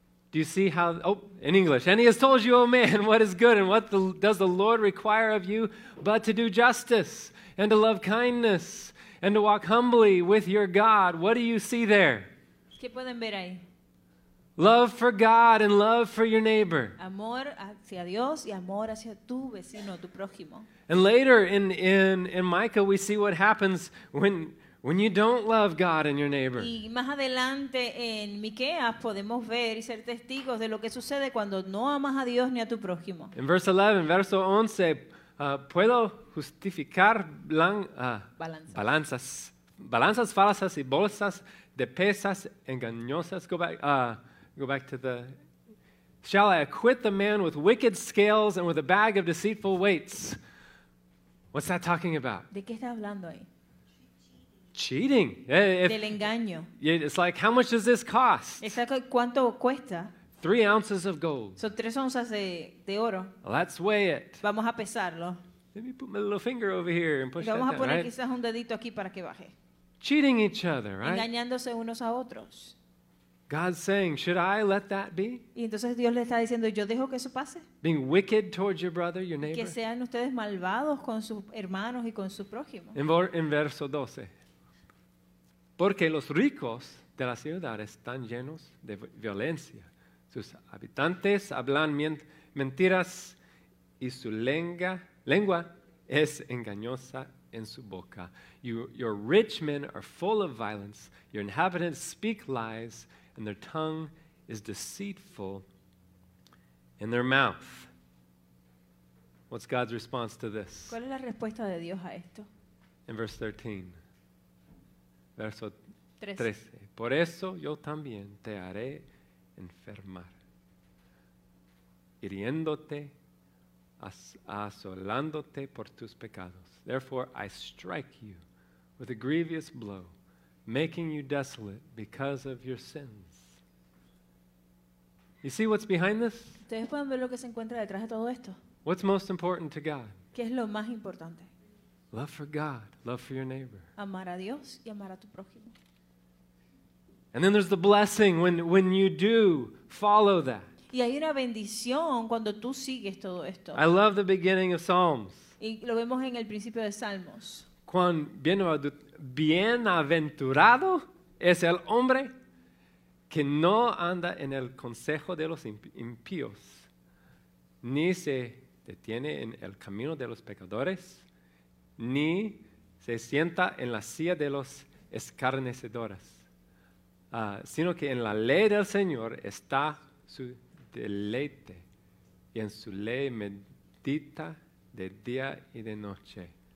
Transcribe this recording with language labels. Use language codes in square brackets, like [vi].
[en] Do you see how, in English, and he has told you, oh man, what is good and what does the Lord require of you but to do justice and to love kindness and to walk humbly with your God. What do you see there? [es] ¿Qué pueden ver ahí? [en] Love for God and love for your neighbor. [es] Amor hacia Dios y amor hacia tu vecino, tu prójimo. [en] And later in Micah, we see what happens when you don't love God and your neighbor. [es] Y más adelante en Miqueas podemos ver y ser testigos de lo que sucede cuando no amas a Dios ni a tu prójimo. [en] In verse 11, [es] verso 11, puedo justificar balanzas falsas y bolsas de pesas engañosas. [en] Go back to the. Shall I acquit the man with wicked scales and with a bag of deceitful weights? What's that talking about? [es] ¿De qué está hablando ahí? [en] Cheating. [es] Del engaño. [en] It's like, how much does this cost? [es] ¿Cuánto cuesta? [en] 3 ounces of gold. [es] Son 3 onzas de oro. [en] Let's weigh it. [es] Vamos a pesarlo. [en] Let me put my little finger over here and push that down, right? [es] Vamos a poner quizás un dedito aquí para que baje. [en] Cheating each other, right? [es] Engañándose unos a otros. [en] God's saying, should I let that be? [es] Y entonces Dios le está diciendo, ¿yo dejo que eso pase? [en] Being wicked towards your brother, your neighbor. [es] Que sean ustedes malvados con sus hermanos y con su prójimo. En verso 12. Porque los ricos de la ciudad están llenos de violencia. Sus habitantes hablan mentiras y su lengua es engañosa en su boca. [en] Your rich men are full of violence. Your inhabitants speak lies and their tongue is deceitful in their mouth. What's God's response to this? [es] ¿Cuál es la respuesta de Dios a esto? [en] In verse 13. [es] Verso 13. Por eso yo también te haré enfermar, hiriéndote, asolándote por tus pecados. [en] Therefore I strike you with a grievous blow, making you desolate because of your sins. You see what's behind this? [es] ¿Ustedes pueden ver lo que se encuentra detrás de todo esto? [en] What's most important to God? [es] ¿Qué es lo más importante? [en] Love for God, love for your neighbor. [es] Amar a Dios y amar a tu prójimo. [en] And then there's the blessing when you do follow that. [es] Y hay una bendición cuando tú sigues todo esto. [en] I love the beginning of Psalms. [es] Y lo vemos en el principio de Salmos. Cuán bienaventurado es el hombre que no anda en el consejo de los impíos, ni se detiene en el camino de los pecadores, ni se sienta en la silla de los escarnecedores, sino que en la ley del Señor está su deleite, y en su ley medita de día y de noche.